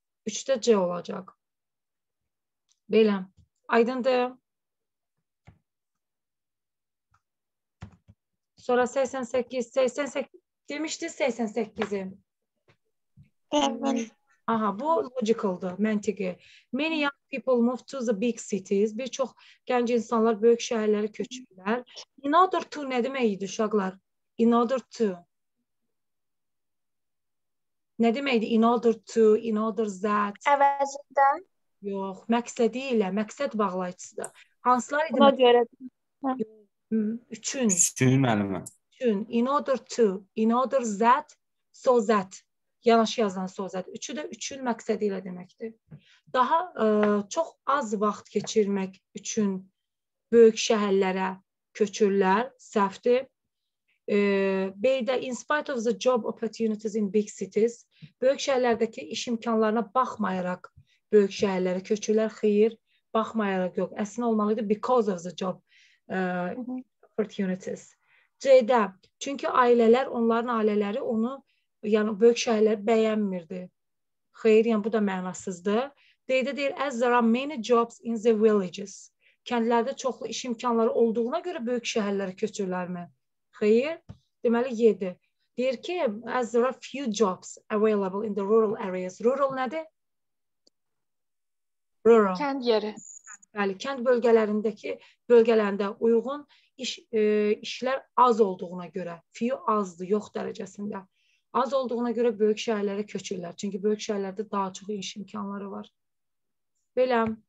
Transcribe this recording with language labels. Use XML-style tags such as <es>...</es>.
<az>3-də C olacaq. Belə. Aydındır. Sonra 88, 88 demişdi 88-i. Evet. Aha, bu logical-dır, məntiqi.</az> <en>Many young people move to the big cities.</en> <az>Bir çox gənc insanlar böyük şəhərlərə köçürlər.</az> <en>In order to</en> <az>nə deməkdir uşaqlar?</az> <en>In order to.</en> <az>Nə deməkdir?</az> <en>In order to, in order that.</en> <az>Əvəzində. Yox, məqsədi ilə, məqsəd bağlayıcısıdır. Hansılar idi? Ona görə. Üçün. Üçün müəllimə. Üçün.</az> <en>In order to, in order that, so that.</en> <az>Yanaşı yazılan so that. Üçü də üçün məqsədi ilə deməkdir. Daha çox az vaxt keçirmək üçün böyük şəhərlərə köçürlər, səhvdir. B-də</az> <en>in spite of the job opportunities in big cities,</en> <az>böyük şəhərlərdəki iş imkanlarına baxmayaraq böyük şəhərlərə köçürlər, xeyir, baxmayaraq yox. Əslində olmalı idi</az> <en>because of the job opportunities.</en> <az>C-də çünki ailələr, onların ailələri onu, yəni böyük şəhərlər bəyənmirdi. Xeyir, yəni bu da mənasızdır. D-də deyir</az> <en>as there are many jobs in the villages.</en> <az>Kəndlərdə çoxlu iş imkanları olduğuna görə böyük şəhərlərə köçürlərmi? Xeyir, deməli 7. Deyir ki,</az> <en>as there are few jobs available in the rural areas.</en> <az>Rural nədir?</az> <en>Rural.</en> <az>Kənd yeri. Bəli, kənd bölgələrindəki bölgələrində uyğun işlər az olduğuna görə. Few azdır, yox dərəcəsində. Az olduğuna görə böyük şəhərlərə köçürlər. Çünki böyük şəhərlərdə daha çox iş imkanları var. Belə.</az>